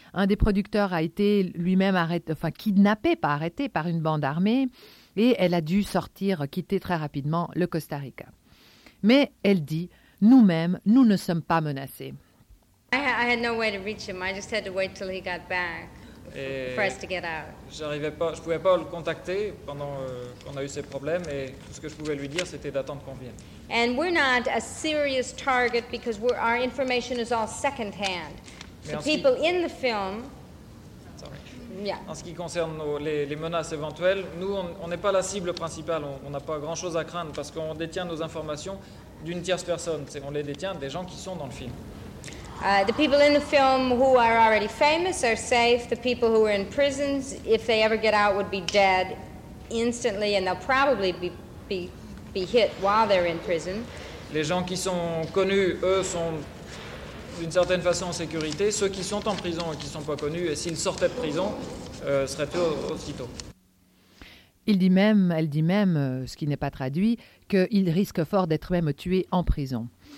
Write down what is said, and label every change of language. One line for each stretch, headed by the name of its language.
French: Un des producteurs a été lui-même kidnappé par une bande armée et elle a dû quitter très rapidement le Costa Rica. Mais elle dit, nous-mêmes, nous ne sommes pas menacés.
English: I had no way to reach him. I just had to wait till he got back for us to get out.
French: J'arrivais pas, je pouvais pas le contacter pendant qu'on a eu ces problèmes, et tout ce que je pouvais lui dire, c'était d'attendre qu'on vienne.
English: And we're not a serious target because our information is all second-hand. The people in the film.
French: En ce qui concerne les menaces éventuelles, nous, on n'est pas la cible principale. On n'a pas grand-chose à craindre parce qu'on détient nos informations d'une tierce personne. C'est, on les détient des gens qui sont dans le film.
English: The people in the film who are already famous are safe. The people who are in prisons, if they ever get out, would be dead instantly, and they'll probably be hit while they're in prison.
French: Les gens qui sont connus, eux, sont d'une certaine façon en sécurité. Ceux qui sont en prison et qui ne sont pas connus, et s'ils sortaient de prison, seraient tués aussitôt. Elle dit même, ce qui n'est pas traduit, qu'ils risquent fort d'être même tués en prison.